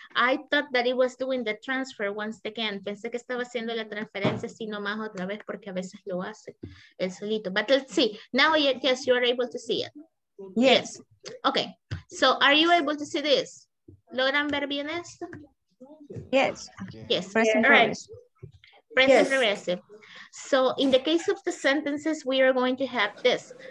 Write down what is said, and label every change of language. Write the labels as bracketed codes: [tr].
[en] I thought that it was doing the transfer once again. [es] Pensé que estaba haciendo la transferencia, si no más otra vez, porque a veces lo hace el solito. [en] But let's see. Now, yes, you are able to see it. Yes. Okay. So, are you able to see this? [es] ¿Logran ver bien esto? [en] Yes. Yes. Present progressive. Present yes. Progressive. So in the case of the sentences, we are going to have this.